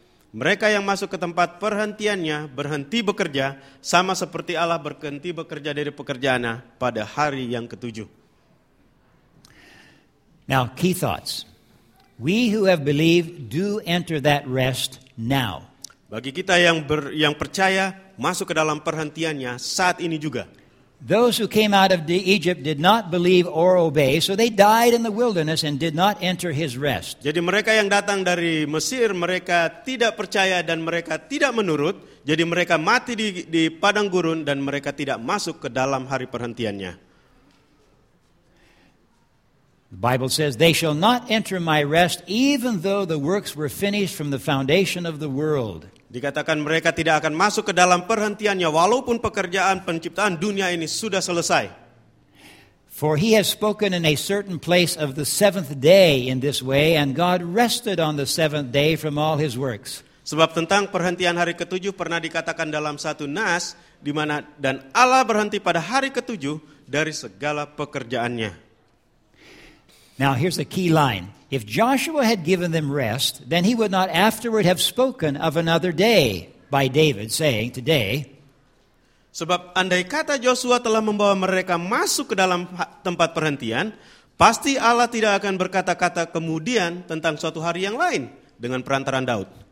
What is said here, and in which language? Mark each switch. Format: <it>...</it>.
<id>Mereka yang masuk ke tempat perhentiannya berhenti bekerja sama seperti Allah berhenti bekerja dari pekerjaannya pada hari yang ketujuh.</id> <en>Now, key thoughts. We who have believed do enter that rest now.</en> <id>Bagi kita yang percaya masuk ke dalam perhentiannya saat ini juga.</id> <en>Those who came out of Egypt did not believe or obey, so they died in the wilderness and did not enter his rest.</en> <id>Jadi mereka yang datang dari Mesir, mereka tidak percaya dan mereka tidak menurut, jadi mereka mati di padang gurun dan mereka tidak masuk ke dalam hari perhentiannya.</id> <en>The Bible says, they shall not enter my rest even though the works were finished from the foundation of the world.</en> <id>Dikatakan mereka tidak akan masuk ke dalam perhentiannya walaupun pekerjaan penciptaan dunia ini sudah selesai.</id> <en>For he has spoken in a certain place of the seventh day in this way, and God rested on the seventh day from all his works.</en> <id>Sebab tentang perhentian hari ketujuh pernah dikatakan dalam satu nas, di mana dan Allah berhenti pada hari ketujuh dari segala pekerjaannya.</id> <en>Now here's the key line. If Joshua had given them rest, then he would not afterward have spoken of another day by David saying today.</en> <id>Sebab andai kata Joshua telah membawa mereka masuk ke dalam tempat perhentian, pasti Allah tidak akan berkata-kata kemudian tentang suatu hari yang lain dengan perantaran Daud.</id>